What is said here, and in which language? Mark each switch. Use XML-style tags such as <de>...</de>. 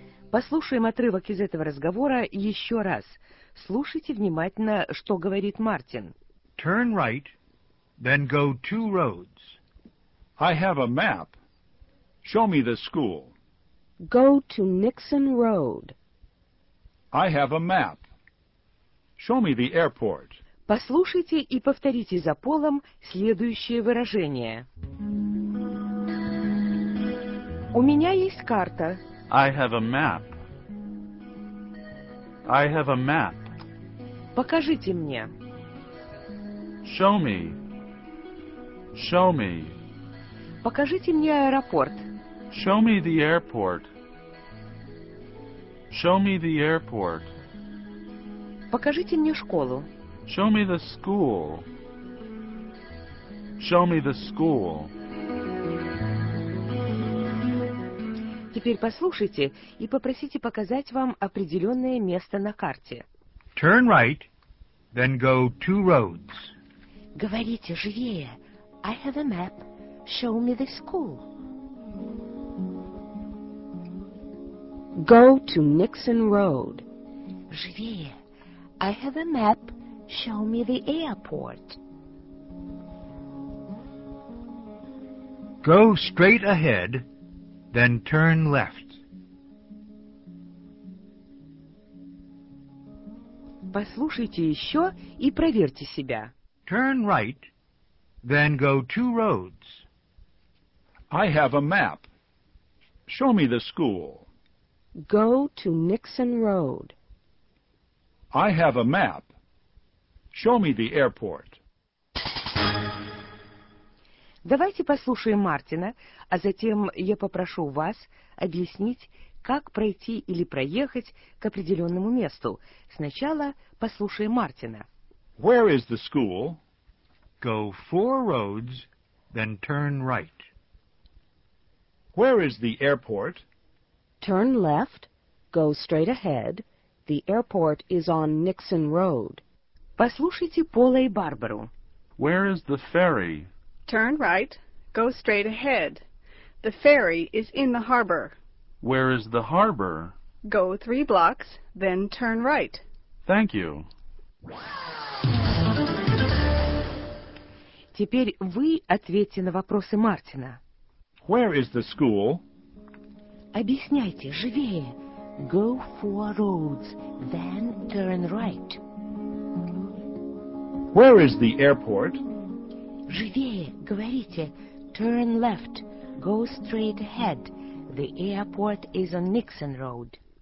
<ru>Послушаем отрывок из этого разговора еще раз. Слушайте внимательно, что говорит Мартин.</ru> <en>Turn right, then go two roads. I have a map. Show me the school. Go to Nixon Road. I have a map. Show me the airport.</en> <ru>Послушайте и повторите за Полом следующее выражение. У меня есть карта.</ru> <en>I have a map. I have a map.</en> <ru>Покажите мне.</ru> <en>Show me. Show me.</en> <ru>Покажите мне аэропорт.</ru> <en>Show me the airport. Show me the airport.</en> <ru>Покажите мне школу.</ru> <en>Show me the school. Show me the school.</en> <ru>Теперь послушайте и попросите показать вам определенное место на карте.</ru> <en>Turn right, then go two roads.</en> <ru>Говорите живее.</ru> <en>I have a map. Show me the school. Go to Nixon Road.</en> <ru>Живее.</ru> <en>I have a map. Show me the airport. Go straight ahead, then turn left.</en> <ru>Послушайте еще и проверьте себя.</ru> <en>Turn right, then go two roads. I have a map. Show me the school. Go to Nixon Road. I have a map. Show me the airport.</en> <ru>Давайте послушаем Мартина, а затем я попрошу вас объяснить, как пройти или проехать к определенному месту. Сначала послушаем Мартина.</ru> <en>Where is the school? Go four roads, then turn right. Where is the airport? Turn left, go straight ahead. The airport is on Nixon Road.</en> <ru>Послушайте Пола и Барбару.</ru> <en>Where is the ferry? Turn right, go straight ahead. The ferry is in the harbor. Where is the harbor? Go three blocks, then turn right. Thank you.</en> <ru>Теперь вы ответьте на вопросы Мартина.</ru> <en>Where is the school?</en> <ru>Объясняйте живее.</ru> <en>Go four roads, then turn right. Where is the airport?</en> <ru>Живее, говорите.</ru> <en>Turn left. Go straight ahead. The airport is on Nixon Road.</en>